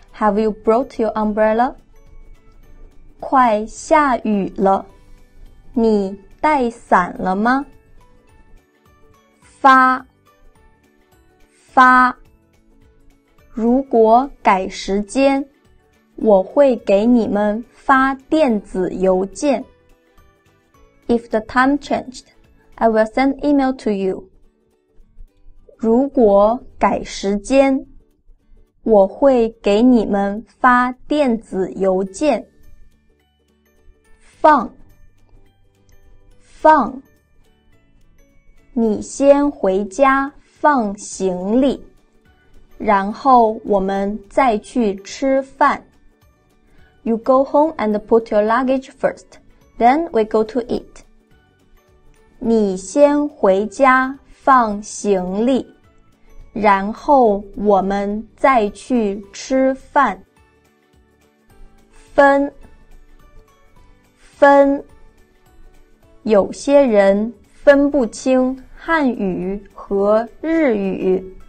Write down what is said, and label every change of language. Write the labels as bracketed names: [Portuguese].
[English] Have you brought your umbrella? [Chinese] 快下雨了，你带伞了吗？发。发，如果改时间，我会给你们发电子邮件。 [English] If the time changed, I will send email to you. [Chinese] 如果改时间，我会给你们发电子邮件。放，放，你先回家放行李。然后我们再去吃饭。 [English] You go home and put your luggage first, then we go to eat. [Chinese] 你先回家放行李，然后我们再去吃饭。分，分，有些人分不清汉语和日语。